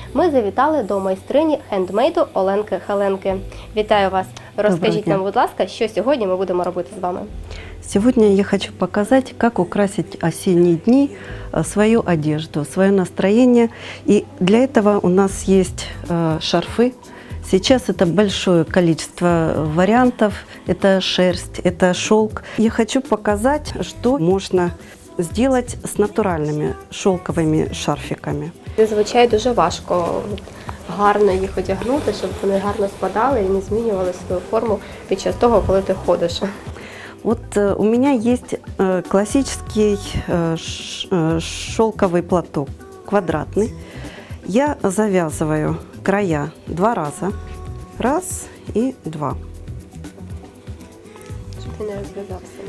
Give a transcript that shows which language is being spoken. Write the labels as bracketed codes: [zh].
[uk] Ми завітали до майстрині хендмейду Оленки Хеленки. Вітаю вас! Розкажіть нам, будь ласка, що сьогодні ми будемо робити з вами. Сьогодні я хочу показати, як украсити осінні дні свою одежду, своє настроєння. І для цього у нас є шарфи. [ru] Сейчас это большое количество вариантов. Это шерсть, это шелк. Я хочу показать, что можно сделать с натуральными шелковыми шарфиками. [uk] Зазвичай дуже важко гарно їх одягнути, щоб вони гарно спадали і не змінювали свою форму під час того, коли ти ходиш. [ru] Вот у меня есть классический шелковый платок, квадратный. Я завязываю края два раза. Раз и два. Чтобы не развязался.